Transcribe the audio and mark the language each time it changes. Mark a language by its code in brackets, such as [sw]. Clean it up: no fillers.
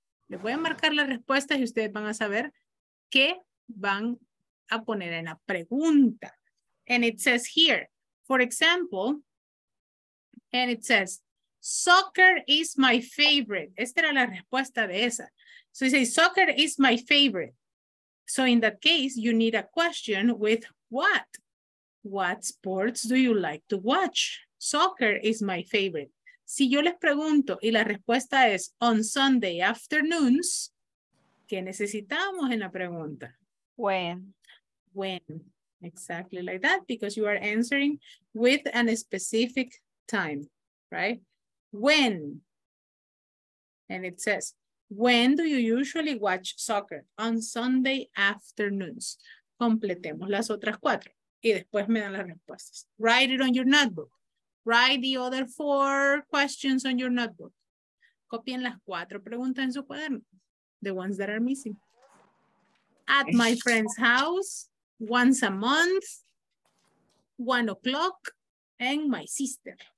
[es] Les voy a marcar las respuestas y ustedes van a saber qué van a poner en la pregunta. [en] And it says here, for example, And it says, soccer is my favorite. [es] Esta era la respuesta de esa. [en] So you say, soccer is my favorite. So in that case, you need a question with what? What sports do you like to watch? Soccer is my favorite. [es] Si yo les pregunto y la respuesta es [en] on Sunday afternoons, [es] ¿qué necesitamos en la pregunta? [en] When. When. Exactly like that, because you are answering with a specific time, right? When. And it says, when do you usually watch soccer? On Sunday afternoons. [es] Completemos las otras cuatro y después me dan las respuestas. [en] Write it on your notebook. Write the other four questions on your notebook. [es] Copien las cuatro preguntas en su cuaderno. [en] The ones that are missing. At my friend's house, once a month, 1 o'clock, and my sister.